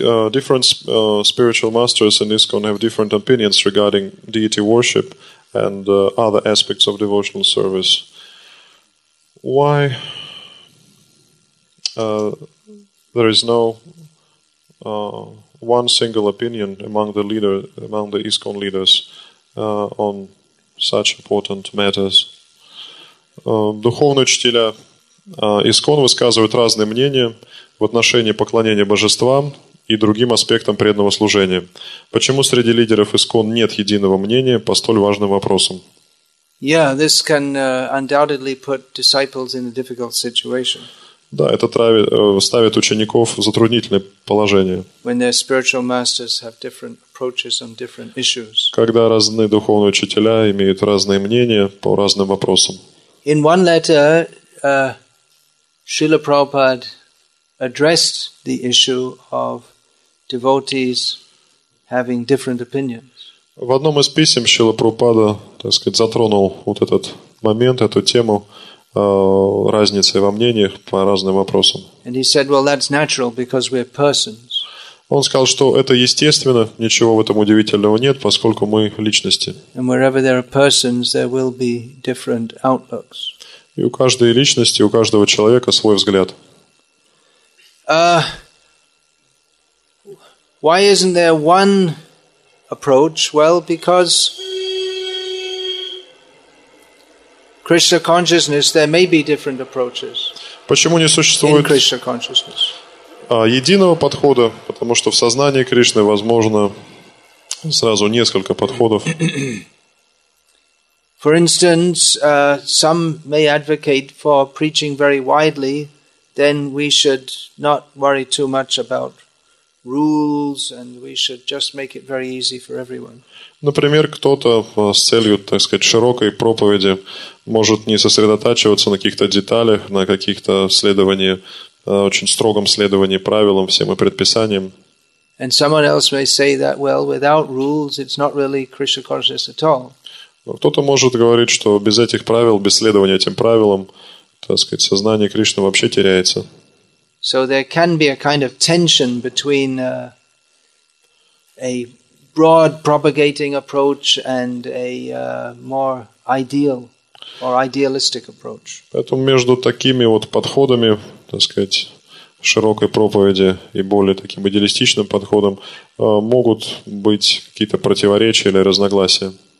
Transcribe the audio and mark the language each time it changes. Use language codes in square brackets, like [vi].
[en] Different spiritual masters in ISKCON have different opinions regarding deity worship and other aspects of devotional service. Why there is no... one single opinion among the ISKCON leaders on such important matters. [ru] Духовные учителя ISKCON высказывают разные мнения в отношении поклонения божествам и другим аспектам преданного служения. Почему среди лидеров ISKCON нет единого мнения по столь важным вопросам? [en] Yeah, this can undoubtedly put disciples in a difficult situation. [ru] Да, это ставит учеников в затруднительное положение. [en] When their spiritual masters have different approaches on different issues. [ru] Когда разные духовные учителя имеют разные мнения по разным вопросам. [en] In one letter, Srila Prabhupada addressed the issue of devotees having different opinions. [ru] В одном из писем Шрила Прабхупада, так сказать, затронул вот этот момент, эту тему, разницы во мнениях по разным вопросам. [en] And he said, well, that's natural because we're persons. [ru] Он сказал, что это естественно, ничего в этом удивительного нет, поскольку мы личности. [en] And wherever there are persons, there will be different outlooks. [ru] И у каждой личности, у каждого человека свой взгляд. [en] Why isn't there one approach? Well, because Krishna consciousness, there may be different approaches. [ru] Почему не существует единого подхода? Потому что в сознании Кришны возможно сразу несколько подходов. [en] For instance, some may advocate for preaching very widely then we should not worry too much about rules, and we should just make it very easy for everyone. [ru] Например, кто-то с целью, так сказать, широкой проповеди может не сосредотачиваться на каких-то деталях, на каких-то следовании, очень строгом следовании правилам всем и предписаниям. [en] And someone else may say that, well, without rules, it's not really Krishna consciousness at all. [ru] Кто-то может говорить, что без этих правил, без следования этим правилам, так сказать, сознание Кришны вообще теряется. [en] So there can be a kind of tension between a broad propagating approach and a more ideal or idealistic approach. [ru] Поэтому между такими вот подходами, так сказать, широкой проповеди и более таким идеалистичным подходом могут быть какие-то противоречия или разногласия.